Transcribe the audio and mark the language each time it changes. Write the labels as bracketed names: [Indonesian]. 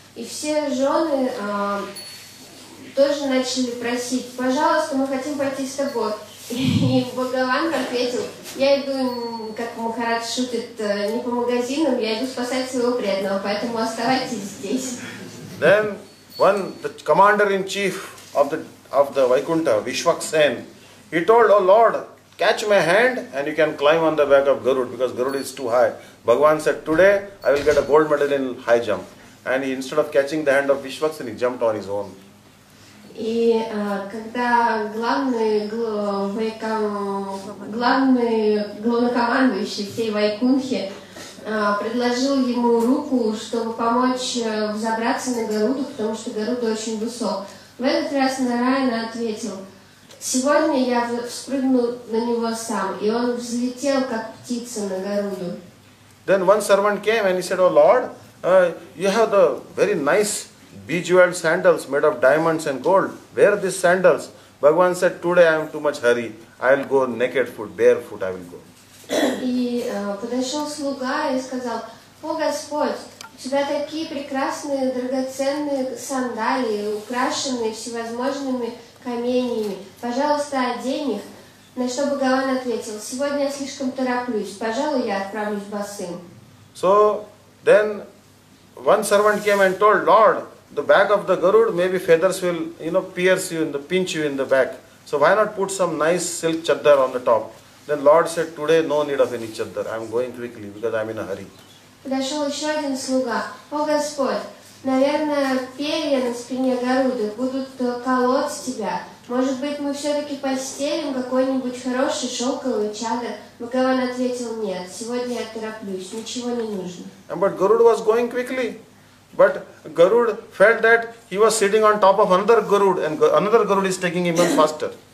[Russian] И все жены тоже начали просить, пожалуйста, мы хотим пойти с тобой. И Бхагаван ответил, я иду, как Махарадж шутит, не по магазинам, я иду спасать своего преданного, поэтому оставайтесь здесь. [English] Then one, the commander-in-chief of the Vaikuntha, Vishwaksen, he told, oh Lord, catch my hand and you can climb on the back of Garud because Garud is too high. Bhagavan said, today I will get a gold medal in high jump. And he, instead of catching the hand of Vishwaksen, he jumped on his own. [Russian] И когда главный главнокомандующий всей Вайкунхи предложил ему руку, чтобы помочь взобраться на Гаруду, потому что Гаруда очень высок, в этот раз Нараяна ответил, сегодня я спрыгну на него сам, и он взлетел, как птица на Гаруду. [English] Then one servant came and he said, oh Lord, you have the very nice bejeweled sandals made of diamonds and gold. Wear these sandals. Bhagavan said, today I am too much hurry. I will go naked foot, barefoot I will go. [Russian] И подошел слуга и сказал, о Господь, у тебя такие прекрасные, драгоценные сандалии, украшенные всевозможными каменьями. Пожалуйста, одень их. На что Бхагаван ответил, сегодня я слишком тороплюсь, пожалуй, я отправлюсь босым. [English] So, then one servant came and told, Lord, the back of the Garud, maybe feathers will, you know, pierce you, in the, pinch you in the back. So, why not put some nice silk chadar on the top? Then Lord said, today no need of any chadar. I am going quickly because I am in a hurry. [Russian] Подошел еще один слуга. О Господь, наверное, перья на спине Гаруды будут колоть тебя. Может быть, мы все-таки постелим какой-нибудь хороший шелковый чадар? Бхагаван ответил, нет, сегодня я тороплюсь, ничего не нужно. [English] But Garuda was going quickly. But Garud felt that he was sitting on top of another Garud and another Garud is taking him faster.